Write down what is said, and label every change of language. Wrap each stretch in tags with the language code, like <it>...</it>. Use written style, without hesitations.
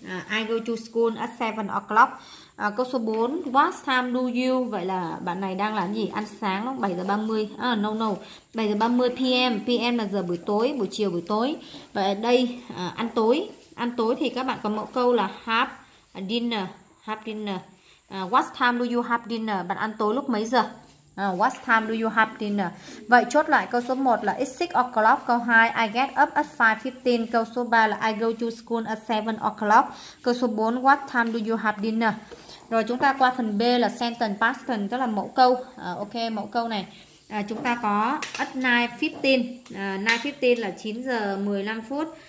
<en>I go to school at 7 o'clock.</en> <vi>Câu số 4,</vi> <en>what time do you?</en> <vi>Vậy là bạn này đang làm gì? Ăn sáng lúc 7:30. 7:30 PM. PM là giờ buổi tối, buổi chiều buổi tối. Vậy đây ăn tối. Ăn tối thì các bạn có mẫu câu là</vi> <en>have dinner. What time do you have dinner?</en> <vi>Bạn ăn tối lúc mấy giờ?</vi> <en>What time do you have dinner?</en> <vi>Vậy chốt lại câu số 1 là</vi> <en>it's 6 o'clock.</en> <vi>Câu 2,</vi> <en>I get up at 5:15.</en> <vi>Câu số 3 là</vi> <en>I go to school at 7 o'clock.</en> <vi>Câu số 4,</vi> <en>what time do you have dinner?</en> <vi>Rồi chúng ta qua phần B là</vi> <en>sentence past tense,</en> <vi>tức là mẫu câu. Ok, mẫu câu này. Chúng ta có</vi> <en>at 9:15.</en> <vi>9:15 là 9:15.</vi>